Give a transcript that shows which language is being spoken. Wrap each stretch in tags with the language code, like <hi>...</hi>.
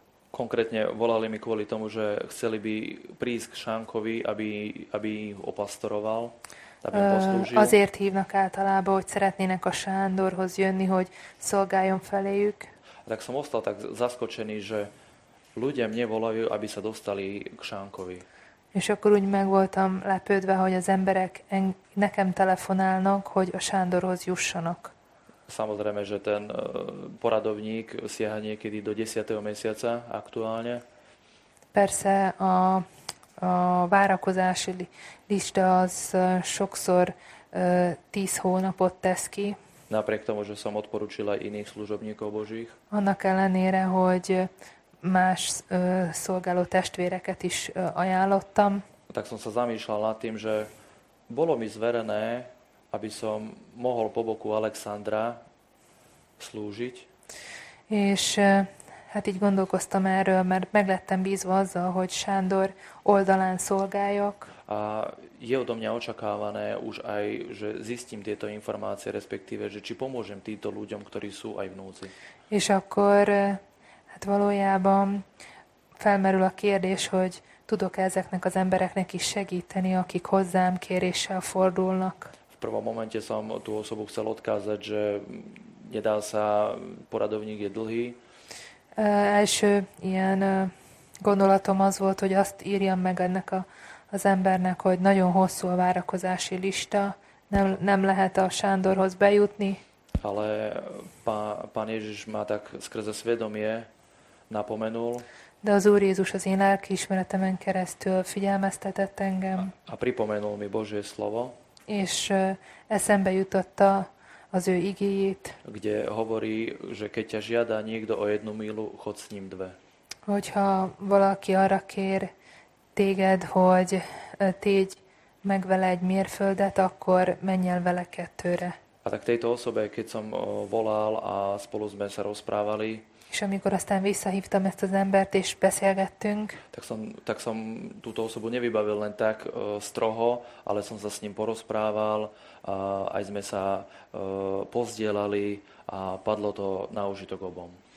<sk>Konkrétne volali mi kvôli tomu, že chceli by prísť k Šánkovi, aby ich opastoroval, aby im poslúžil.</sk> <hu>Azért hívnak általában, hogy szeretnének a Sándorhoz jönni, hogy szolgáljon feléjük.</hu> <sk>A tak som ostal tak zaskočený, že ľudia mne volajú, aby sa dostali k Šánkovi.</sk> <hu>És akkor úgy meg voltam lepődve, hogy az emberek nekem telefonálnak, hogy a Sándorhoz jussanak.</hu> <sk>Samozrejme, že ten poradovník siaha niekedy do 10. mesiaca aktuálne.</sk> <hu>Persze a várakozási lista az sokszor 10 hónapot tesz ki.</hu> <sk>Napriek tomu, že som odporúčila iných služobníkov Božích.</sk> <hu>Annak ellenére, hogy más szolgáló testvéreket is ajánlottam.</hu> <sk>Tak som sa zamýšľal nad tým, že bolo mi zverené, aby som mohol po boku Alexandra slúžiť.</sk> <hu>És hát így gondolkoztam erről, mert meglettem bízva azzal, hogy Sándor oldalán szolgáljak.</hu> <sk>A je odo mňa očakávané už aj, že zistím tieto informácie, respektíve, že či pomôžem týmto ľuďom, ktorí sú aj vnúci.</sk> <hu>És akkor hát valójában felmerül a kérdés, hogy tudok ezeknek az embereknek is segíteni, akik hozzám kéréssel fordulnak.</hu> <sk>V prvom momente som tú osobu chcel odkázať, že nedá sa, poradovník je dlhý.</sk> <hu>Első ilyen gondolatom az volt, hogy azt írjam meg ennek az embernek, hogy nagyon hosszú a várakozási lista, nem lehet a Sándorhoz bejutni.</hu> <sk>Ale pán Ježiš ma tak skrze svedomie napomenul.</sk> <hu>De az Úr Jézus az én lelkiismeretemen keresztül figyelmeztetett engem.</hu> <sk>A pripomenul mi Božie slovo.</sk> <hu>És eszembe jutotta az ő igéjét,</hu> <sk>kde hovorí, že keď ťa žiada niekto o jednu milu, chod s ním dve.</sk> <hu>Hogyha valaki arra kér téged, hogy tégy meg vele egy mérföldet, akkor menj el vele kettőre.</hu> <sk>A tak tejto osobe, keď som volal a spolu sme sa rozprávali,</sk> <hu>és amikor aztán visszahívtam ezt az embert, és beszélgettünk,</hu> <sk>tak som túto osobu nevybavil len tak stroho, ale som sa s ním porozprával, aj sme sa pozdielali a padlo to na užitok obom.</sk>